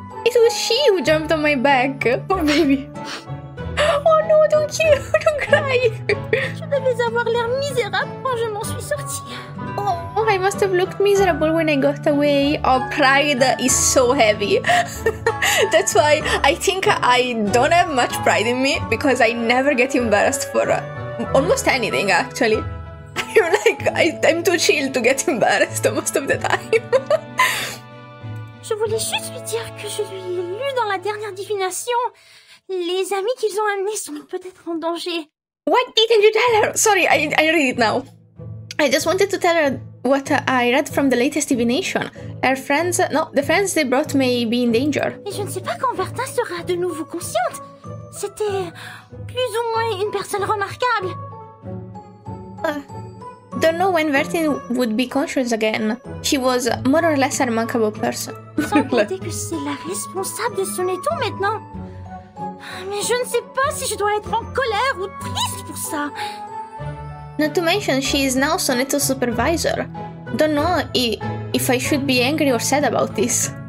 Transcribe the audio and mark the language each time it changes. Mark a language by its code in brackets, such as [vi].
[en] It was she who jumped on my back. Oh, baby. Oh, no, don't kill. Don't cry. [fr] Je devais avoir l'air misérable quand je m'en suis sortie. [en] Oh, I must have looked miserable when I got away. Oh, pride is so heavy. That's why I think I don't have much pride in me, because I never get embarrassed for... almost anything, actually. I'm too chill to get embarrassed most of the time. [fr] Je voulais juste lui dire que je lui ai lu dans la dernière divination. Les amis qu'ils ont amenés sont peut-être en danger. [en] What didn't you tell her? Sorry, I read it now. I just wanted to tell her what I read from the latest divination. Her friends... no, the friends they brought may be in danger. [fr] Et je ne sais pas quand Vertin sera de nouveau consciente. C'était plus ou moins une personne remarquable. [en] Don't know when Vertin would be conscious again. She was more or less a remarkable person. [fr] Sans compter que c'est la responsable de son état maintenant. Mais je ne sais pas si je dois être en colère ou triste pour ça. [en] Not to mention, she is now Soneto's supervisor. Don't know if I should be angry or sad about this.